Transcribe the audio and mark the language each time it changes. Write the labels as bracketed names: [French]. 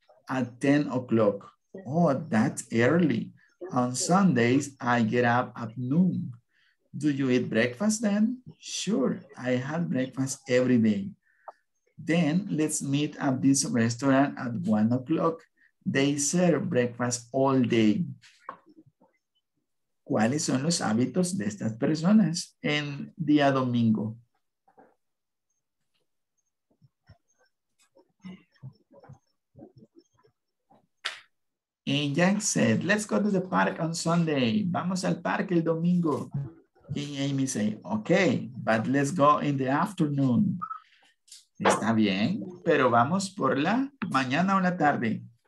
[English] At 10 o'clock. Oh, that's early. On Sundays, I get up at noon. Do you eat breakfast then? Sure, I have breakfast every day. Then let's meet at this restaurant at 1 o'clock. They serve breakfast all day. [Spanish] ¿Cuáles son los hábitos de estas personas en día domingo? [English] And Jack said, let's go to the park on Sunday. [Spanish] Vamos al parque el domingo. [English] And Amy said, okay, but let's go in the afternoon. [Spanish] Está bien, pero vamos por la mañana o la tarde.